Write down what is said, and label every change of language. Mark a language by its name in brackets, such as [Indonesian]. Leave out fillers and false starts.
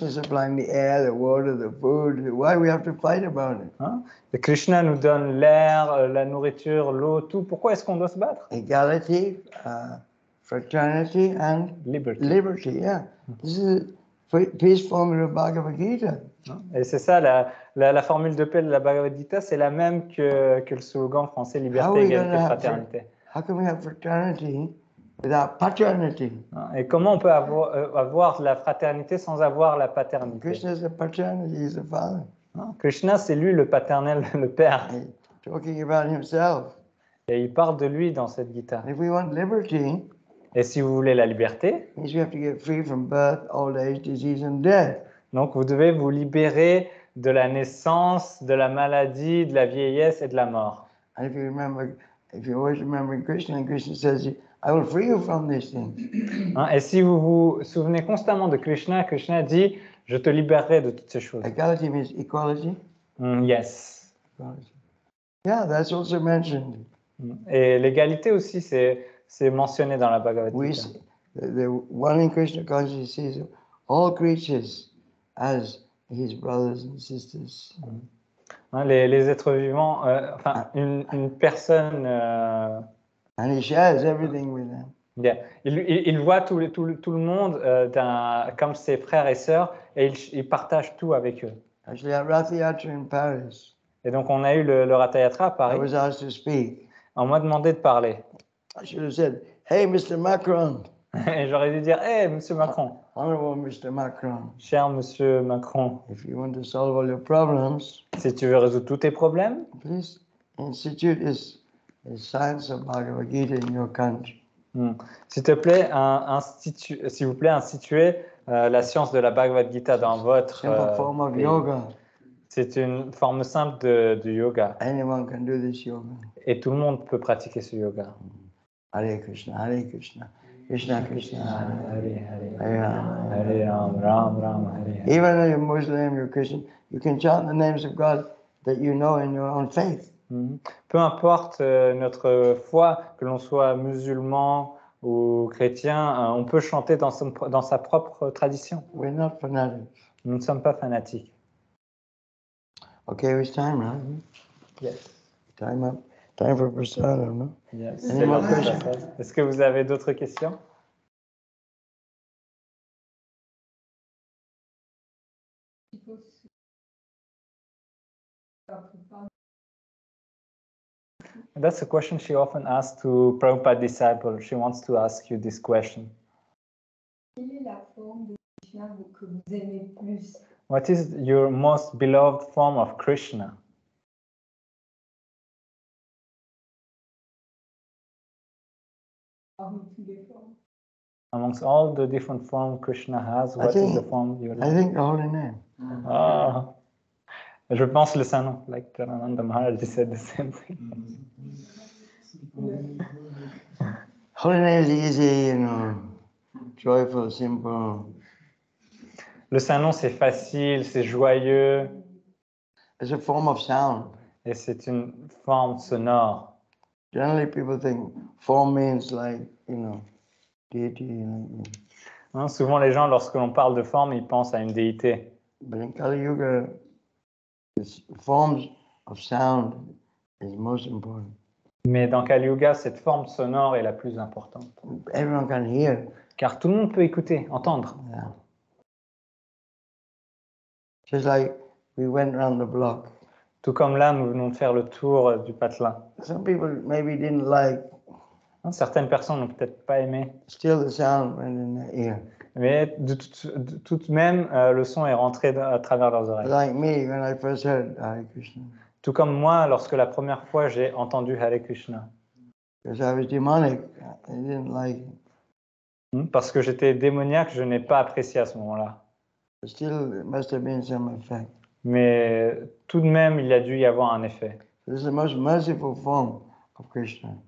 [English] Krishna supplying the air, the water, the food. Why we have to fight about it? Hein? [French] Et Krishna nous donne l'air, la nourriture, l'eau, tout. Pourquoi est-ce qu'on doit se battre? [English] Equality, fraternity and liberty. Liberty, yeah. This is peace formula of Bhagavad Gita. [French] Et c'est ça la formule de paix de la Bhagavad Gita, c'est la même que le slogan français liberté, égalité, fraternité. [English] How can we have fraternity? Without paternity. [French] Et comment on peut avoir la fraternité sans avoir la paternité? [English] Krishna is the paternity, he's the father. [French] Krishna, c'est lui le paternel, le père. [English] He's talking about himself. [French] Et il parle de lui dans cette guitare. [English] If we want liberty, [French] et si vous voulez la liberté, [English] means we have to get free from birth, old age, disease, and death. [French] Donc vous devez vous libérer de la naissance, de la maladie, de la vieillesse et de la mort. [English] And if you remember, if you always remember Krishna, and Krishna says, I will free you from this thing. [French] Et si vous vous souvenez constamment de Krishna, Krishna dit, je te libérerai de toutes ces choses. [English] Equality means equality. Yes. Equality. Yeah, that's also mentioned. [French] Et l'égalité aussi, c'est mentionné dans la Bhagavad Gita. [English] The one in Krishna consciousness sees all creatures as his brothers and sisters. [French] Les êtres vivants, une personne. [English] And he shares everything with them. [French] Yeah, il voit tout le monde comme ses frères et sœurs et il partage tout avec eux. [English] Actually, at Rathayatra in Paris. [French] Et donc on a eu le Rathayatra à Paris. [English] I was asked to speak. [French] On m'a demandé de parler. [English] I should have said, "Hey, Mr. Macron." [French] Et j'aurais dû dire, "Hey, Monsieur Macron." [English] Honorable Mr. Macron. [French] Cher Monsieur Macron. [English] If you want to solve all your problems. [French] Si tu veux résoudre tous tes problèmes. [English] Please institute this. The science of Bhagavad Gita in your country. [French] S'il te plaît, instituez la science de la Bhagavad Gita dans votre [English] form of yoga. [French] S'il vous C'est une forme simple de yoga. [English] Anyone can do this yoga. [French] Et tout le monde peut pratiquer ce yoga. [Sanskrit] Hare Krishna, Hare Krishna. Krishna Krishna, Hare Hare, Hare Ram, Hare Ram, Hare. [English] Even if you're Muslim, you're Christian, you can chant the names of God that you know in your own faith. Mm-hmm. [French] Peu importe notre foi, que l'on soit musulman ou chrétien, on peut chanter dans sa propre tradition. [English] We're not fanatic. [French] Nous ne sommes pas fanatiques. [English] Okay, it's time, right? Mm-hmm. Yes. Time up. Time for prasadam, no? Yes. Any more questions? [French] Est-ce que vous avez d'autres questions? [English] That's a question she often asks to Prabhupada disciples. She wants to ask you this question. [French] Quelle est la forme de Krishna que vous aimez plus? [English] What is your most beloved form of Krishna? Amongst all the different forms Krishna has, what is the form you like? I think the holy name. [French] Ah, je pense le saint nom. [English] Like Karananda Maharaj, he said the same thing. Holy name is easy, you know, joyful, simple. [French] Le saint nom, c'est facile, c'est joyeux. [English] It's a form of sound. [French] Et c'est une forme sonore. [English] Generally, people think form means like, you know, deity. [French] Non, souvent, les gens, lorsque l'on parle de forme, ils pensent à une déité. [English] But in Kali Yuga, forms of sound is most important. [French] Mais dans Kali Yuga, cette forme sonore est la plus importante. [English] Everyone can hear. [French] Car tout le monde peut écouter, entendre. [English] Yeah. Just like we went around the block. [French] Tout comme là, nous venons de faire le tour du patelin. [English] Some people maybe didn't like. [French] Certaines personnes n'ont peut-être pas aimé. [English] Still the sound went in their ear. [French] Mais de tout de même, le son est rentré à travers leurs oreilles. [English] Like me, when I first heard Hare Krishna. [French] Tout comme moi, lorsque la première fois j'ai entendu Hare Krishna. [English] Because I was demonic. I didn't like it. [French] Parce que j'étais démoniaque, je n'ai pas apprécié à ce moment-là. [English] Still, it must have been some effect. [French] Mais tout de même, il y a dû y avoir un effet. [English] This is the most merciful form of Krishna.